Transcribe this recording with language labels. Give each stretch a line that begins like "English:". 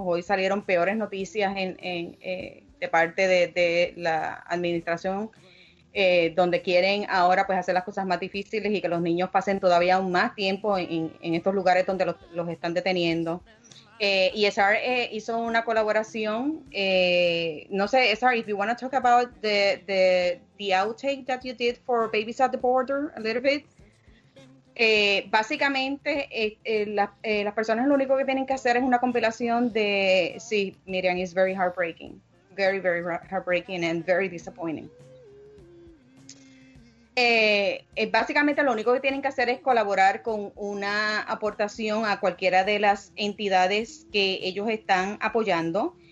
Spanish: Hoy salieron peores noticias de parte de la administración, donde quieren ahora pues hacer las cosas más difíciles y que los niños pasen todavía aún más tiempo en estos lugares donde los están deteniendo. ESR hizo una colaboración. No sé,
English: ESR, if you want to talk about the outtake that you did for Babies at the Border a little bit.
Spanish: Básicamente, las personas lo único que tienen que hacer es una compilación de...
English: Sí, Miriam, it's very heartbreaking. Very, very heartbreaking and very disappointing.
Spanish: Básicamente, lo único que tienen que hacer es colaborar con una aportación a cualquiera de las entidades que ellos están apoyando.